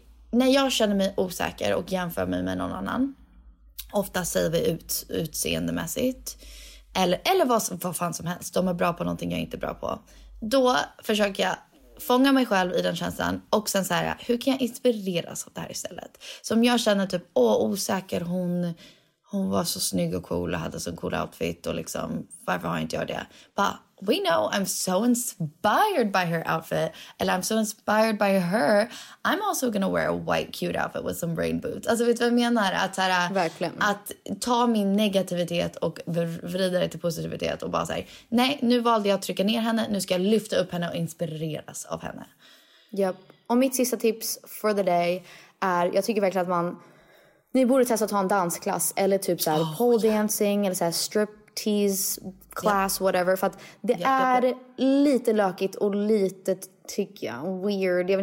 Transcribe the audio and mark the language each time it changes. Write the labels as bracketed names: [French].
[Swedish] När jag känner mig osäker och jämför mig med någon annan, ofta säger vi utseendemässigt, eller vad fan som helst, de är bra på någonting jag inte är bra på. Då försöker jag fånga mig själv i den känslan och sen säga, hur kan jag inspireras av det här istället? Som jag känner typ, osäker, hon var så snygg och cool och hade så cool outfit och liksom, varför har jag inte gjort det? [English] But we know I'm so inspired by her outfit, [Swedish] eller [English] I'm so inspired by her, I'm also gonna wear a white cute outfit with some rain boots. [Swedish] Alltså vet du vad jag menar? Att, här, verkligen. Att ta min negativitet och vrida det till positivitet och bara säga, nej, nu valde jag att trycka ner henne, nu ska jag lyfta upp henne och inspireras av henne. Yep. Och mitt sista tips [English] for the day [Swedish] är, jag tycker verkligen att ni borde testa att ta en dansklass eller typ så här pole dancing eller så här striptease class, whatever, för att det är lite lökigt och lite, tycker jag, weird.